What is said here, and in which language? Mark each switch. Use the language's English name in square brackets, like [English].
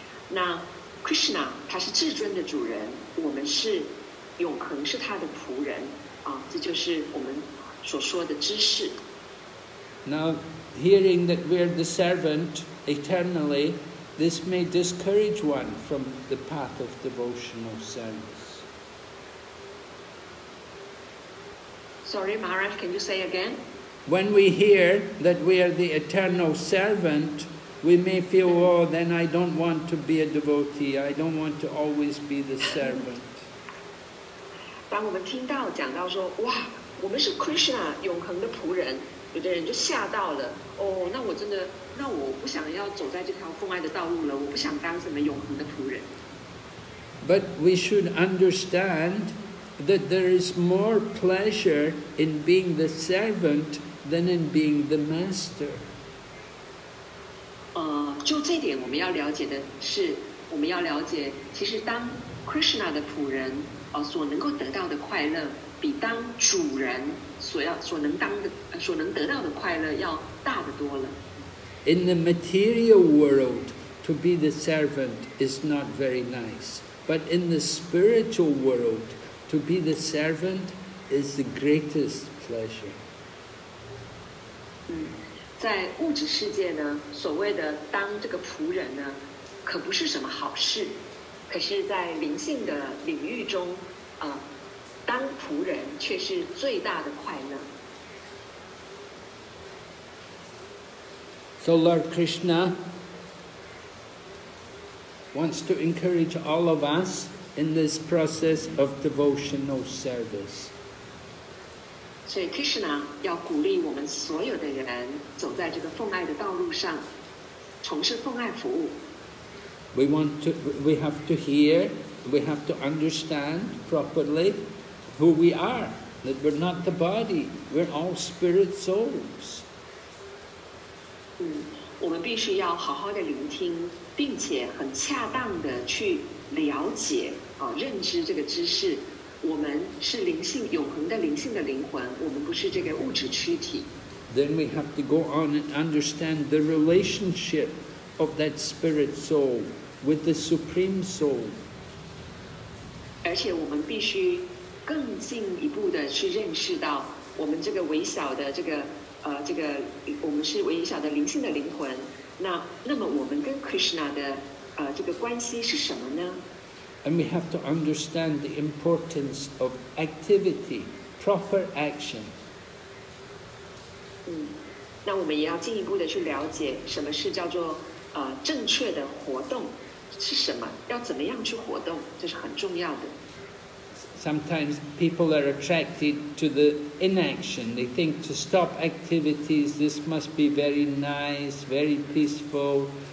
[Chinese] 那 Krishna 他是至尊的主人，我们是永恒是他的仆人这就是我们所说的知识。 [English] Now hearing that we are the servant eternally, this may discourage one from the path of devotional service. Sorry, Maharaj, can you say again? When we hear that we are the eternal servant, we may feel, oh, then I don't want to be a devotee. I don't want to always be the servant. [Chinese] 当我们听到讲到说，哇，我们是 Krishna 永恒的仆人，有的人就吓到了。哦，那我不想要走在这条奉爱的道路了。我不想当什么永恒的仆人。 [English] But we should understand that there is more pleasure in being the servant than in being the master. [Chinese] 就这点我们要了解的是，我们要了解，其实当 Krishna 的仆人所能够得到的快乐，比当主人所能得到的快乐要大得多了。 [English] In the material world, to be the servant is not very nice. But in the spiritual world,to be the servant is the greatest pleasure. [Chinese] 在物质世界呢，所谓的当这个仆人呢，可不是什么好事。可是，在灵性的领域中，当仆人却是最大的快乐。 [English] So Lord Krishna wants to encourage all of us. In this process of devotional service. [Chinese] So Krishna 要鼓励我们所有的人走在这个奉爱的道路上，从事奉爱服务。 [English] We have to hear, we have to understand properly who we are, that we're not the body, we're all spirit souls. [Chinese] 我们必须要好好的聆听，并且很恰当的去了解认知这个知识，我们是灵性永恒的灵性的灵魂，我们不是这个物质躯体。 [English] then we have to go on and understand the relationship of that spirit soul with the Supreme Soul. [Chinese] 而且我们必须更进一步的去认识到我们这个微小的这个这个我们是微小的灵性的灵魂，那么我们跟 Krishna 的这个关系是什么呢？ [English] And we have to understand the importance of activity, proper action. [Chinese] 那我们也要进一步的去了解什么是叫做正确的活动是什么，要怎么样去活动，这是很重要的。 [English] Sometimes people are attracted to the inaction. They think to stop activities, this must be very nice, very peaceful.